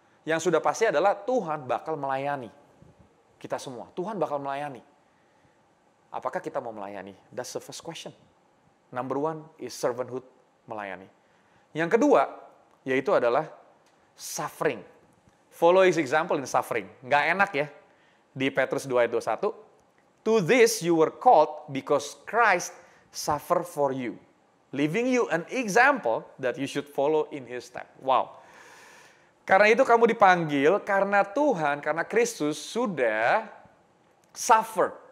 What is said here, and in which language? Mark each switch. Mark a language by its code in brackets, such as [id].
[id] Yang sudah pasti adalah Tuhan bakal melayani kita semua. Tuhan bakal melayani. Apakah kita mau melayani? [en] That's the first question. Number one is servanthood, melayani. [id] Yang kedua, yaitu adalah suffering. [en] Follow his example in suffering. [id] Nggak enak ya. Di Petrus 2 ayat 21, [en] to this you were called because Christ suffered for you, leaving you an example that you should follow in his step. Wow. [id] Karena itu kamu dipanggil, karena Tuhan, karena Kristus sudah suffer.